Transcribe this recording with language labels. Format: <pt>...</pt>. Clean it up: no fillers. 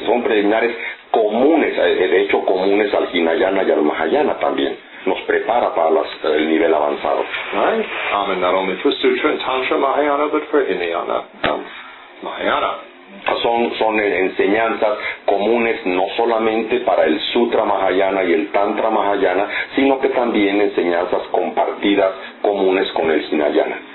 <es>Son preliminares comunes, de hecho comunes al Hinayana y al Mahayana también. Nos prepara para el nivel avanzado.</es> <en>Right? Common not only for Sutra and Tantra Mahayana, but for Hinayana Mahayana.</en> <es>Son enseñanzas comunes no solamente para el Sutra Mahayana y el Tantra Mahayana, sino que también enseñanzas compartidas comunes con el Hinayana.</es>